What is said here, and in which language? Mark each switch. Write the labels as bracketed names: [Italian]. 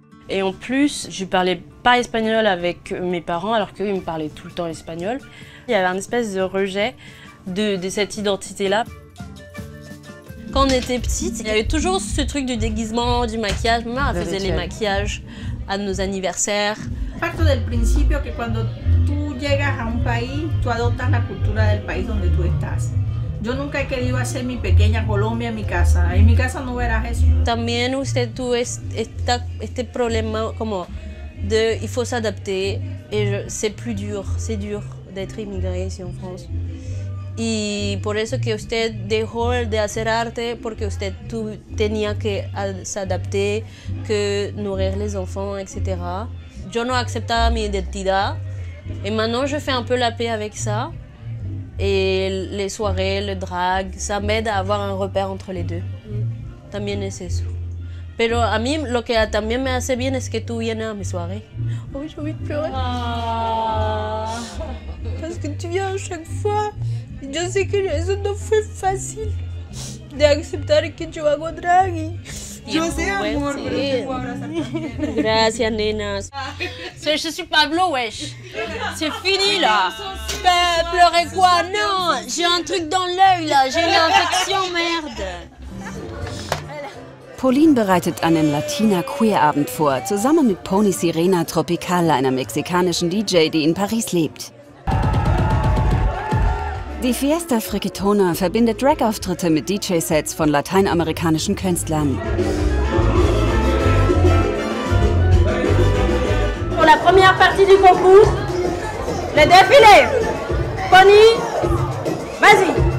[French] Et en plus, je parlais pas espagnol avec mes parents, alors qu'eux, ils me parlaient tout le temps espagnol. Il y avait une espèce de rejet de cette identité-là. Quand on était petite, il y avait toujours ce truc du déguisement, du maquillage. Ma mère faisait les maquillages à nos anniversaires. [Spanish] Parto del principio que cuando tú llegas a un país, tú adoptas la cultura del país donde tú estás. Yo nunca he querido hacer mi pequeña Colombia en mi casa. En mi casa no verás eso. También usted tuvo este problema como de [French] il faut s'adapter et c'est plus dur, c'est dur d'être immigré ici en France. [Spanish] Y por eso que usted dejó de hacer arte porque usted tenía que [French] s'adapter, que nourrir les enfants, etc. [Spanish] Yo no aceptaba mi identidad. [French] Et maintenant je fais un peu la paix avec ça. Et les soirées, le drag, ça m'aide à avoir un repère entre les deux. [Spanish] También es eso. Pero a mí lo que también me hace bien es que tú vienes a mis soirées. [French] Oh, j'ai envie de pleurer. Ah. Parce que tu viens à chaque fois. [Spanish] Yo sé que eso no fue fácil de aceptar que yo hago drag. Y... Yo sé, amor, pero te puedo abrazar también. Gracias, nenas. [French] Je suis Pablo, wesh. C'est fini, là. Pleurer quoi? Non, j'ai un truc dans l'œil, là. J'ai une infection, merde. [German] Pauline bereitet einen Latina-Queer-Abend vor, zusammen mit Pony Sirena Tropical, einer mexikanischen DJ, die in Paris lebt. Die Fiesta Frigitona verbindet Drag-Auftritte mit DJ-Sets von lateinamerikanischen Künstlern. [French] Pour la première partie du concours, le défilé. Pony, vas-y.